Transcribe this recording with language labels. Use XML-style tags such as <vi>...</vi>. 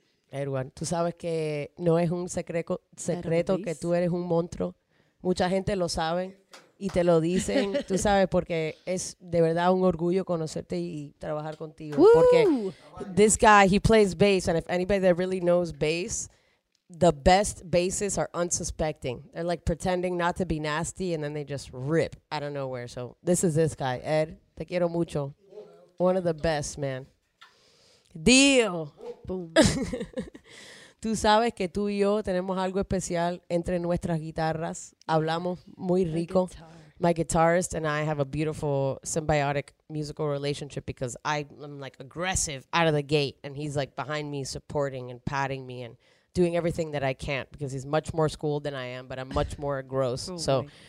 <es>Edwin, tú sabes que no es un secreto que tú eres un monstruo. Mucha gente lo sabe. Y te lo dicen, tú sabes, porque es de verdad un orgullo conocerte y trabajar contigo. Woo!</es> <en>Porque this guy, he plays bass, and if anybody that really knows bass, the best bassists are unsuspecting. They're like pretending not to be nasty, and then they just rip out of nowhere. So this guy, Ed,</en> <es>te quiero mucho.</es> <en>One of the best, man. Deal. Boom.</en> <es>Tú sabes que tú y yo tenemos algo especial entre nuestras guitarras. Hablamos muy rico.</es> <en>My guitarist and I have a beautiful symbiotic musical relationship, because I'm like aggressive out of the gate, and he's like behind me supporting and patting me and doing everything that I can't, because he's much more schooled than I am, but I'm much more gross. Oh, so boy.</en>